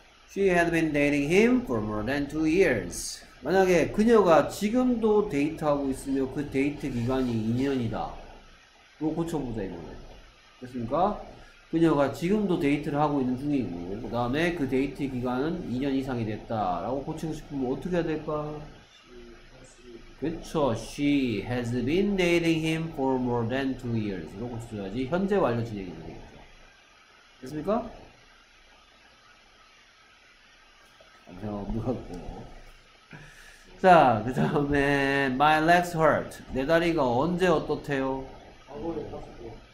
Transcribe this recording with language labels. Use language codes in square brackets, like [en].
[en] She had been dating him for more than 2 years. [ko] 만약에 그녀가 지금도 데이트하고 있으며 그 데이트 기간이 2년이다. 이거 고쳐보자 이거는. 됐습니까? 그녀가 지금도 데이트를 하고 있는 중이고 그 다음에 그 데이트 기간은 2년 이상이 됐다라고 고치고 싶으면 어떻게 해야 될까? 그쵸. [en] She has been dating him for more than 2 years. [ko] 이렇게 고쳐줘야지 현재 완료 진행이 되겠죠. 됐습니까? 무섭고. 자, 그 다음에 [en] My legs hurt. [ko] 내 다리가 언제 어떻대요? 과거에 다쳤고.